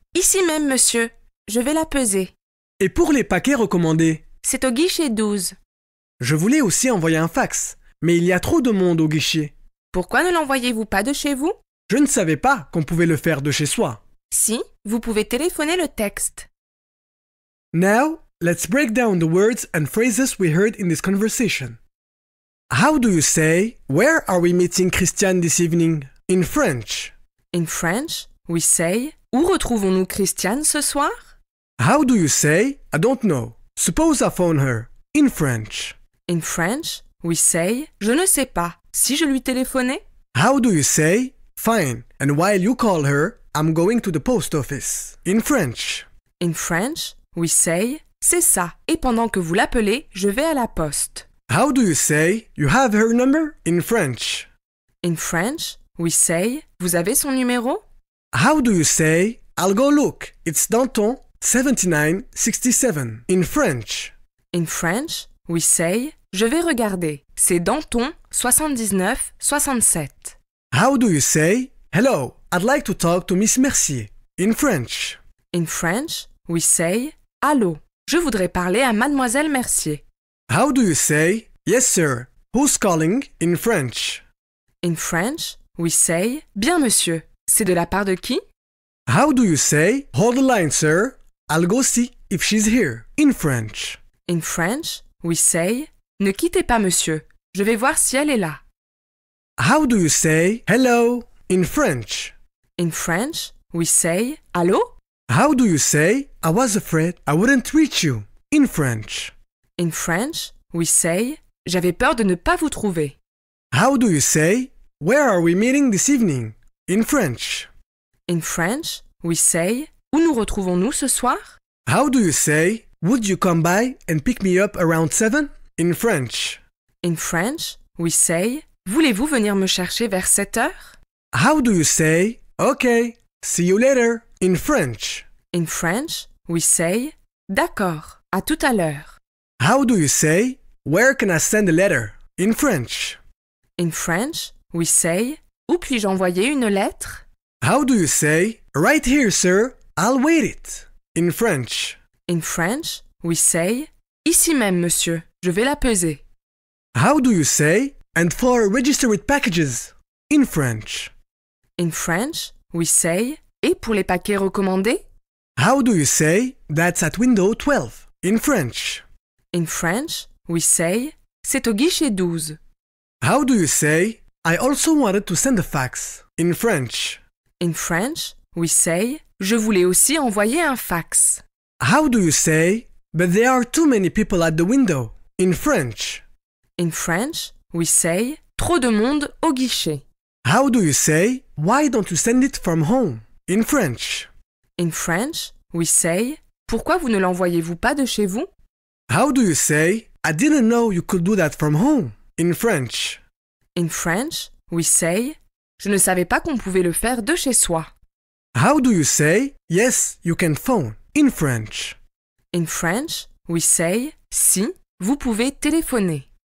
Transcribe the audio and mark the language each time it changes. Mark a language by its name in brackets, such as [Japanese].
[French] Ici même, monsieur. Je vais la peser. Et pour les paquets recommandés? C'est au guichet 12. Je voulais aussi envoyer un fax, mais il y a trop de monde au guichet. Pourquoi ne l'envoyez-vous pas de chez vous? Je ne savais pas qu'on pouvait le faire de chez soi. Si, vous pouvez téléphoner le texte. [English] Now, let's break down the words and phrases we heard in this conversation. How do you say, where are we meeting Christiane this evening? In French. In French, we say, [French] où retrouvons-nous Christiane ce soir? [English] How do you say, I don't know, suppose I phone her, in French. In French, we say, [French] je ne sais pas, si je lui téléphonais? [English] How do you say, fine, and while you call her, I'm going to the post office, in French. In French, we say, [French] c'est ça, et pendant que vous l'appelez, je vais à la poste. [English] How do you say, you have her number, in French? In French, we say, [French] vous avez son numéro? [English] How do you say, I'll go look, it's Danton, 7967, in French. In French, we say, [French] je vais regarder, c'est Danton, 7967. [English] How do you say, hello, I'd like to talk to Miss Mercier, in French? In French, we say, [French] allô, je voudrais parler à Mademoiselle Mercier. [English] How do you say, yes sir, who's calling, in French? In French, we say, [French] bien monsieur, c'est de la part de qui? [English] How do you say, hold the line sir, I'll go see if she's here, in French? In French, we say, [French] ne quittez pas monsieur, je vais voir si elle est là. [English] How do you say hello in French? In French, we say allô. How do you say I was afraid I wouldn't reach you in French? In French, we say [French] j'avais peur de ne pas vous trouver. [English] How do you say where are we meeting this evening in French? In French, we say [French] où nous retrouvons-nous ce soir? [English] How do you say would you come by and pick me up around 7 in French? In French, we say [French] voulez-vous venir me chercher vers 7 heures? [English] How do you say, okay, see you later, in French? In French, we say, [French] d'accord, à tout à l'heure. [English] How do you say, where can I send a letter, in French? In French, we say, [French] où puis-je envoyer une lettre? [English] How do you say, right here, sir, I'll wait it, in French? In French, we say, [French] ici même, monsieur, je vais la peser. [English] How do you say, and for registered packages, in French? In French, we say, [French] et pour les paquets recommandés? [English] How do you say, that's at window 12, in French? In French, we say, [French] c'est au guichet 12. [English] How do you say, I also wanted to send a fax, in French? In French, we say, [French] je voulais aussi envoyer un fax. [English] How do you say, but there are too many people at the window, in French? In French, we say, [French] trop de monde au guichet. [English] How do you say, why don't you send it from home, in French? In French, we say, [French] pourquoi vous ne l'envoyez-vous pas de chez vous? [English] How do you say, I didn't know you could do that from home, in French? In French, we say, [French] je ne savais pas qu'on pouvait le faire de chez soi. [English] How do you say, yes, you can phone, in French? In French, we say, [French] si, vous pouvez téléphoner.